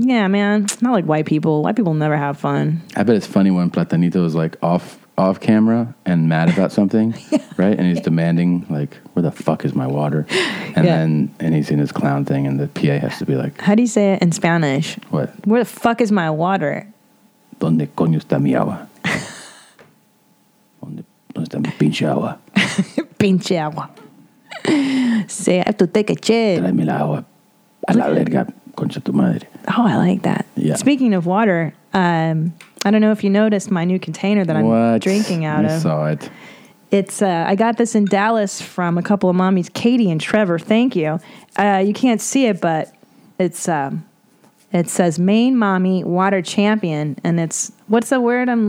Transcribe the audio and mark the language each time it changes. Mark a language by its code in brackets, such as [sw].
[en] Yeah, man. Not like white people. White people never have fun. I bet it's funny when Platanito is like off camera and mad about something yeah. right, and he's demanding like, where the fuck is my water, and yeah. then and he's in his clown thing and the PA has to be like, how do you say it in Spanish, what, where the fuck is my water, [es] donde coño esta mi agua, donde esta mi pinche agua, pinche agua, [en] say I have to take a shit, [es] tráeme la agua a la verga concha tu madre. [en] Oh, I like that. Yeah. Speaking of water, I don't know if you noticed my new container that I'm what? Drinking out of. I saw it. It's I got this in Dallas from a couple of mommies, Katie and Trevor. Thank you. You can't see it, but it's it says Maine Mommy Water Champion, and it's what's the word?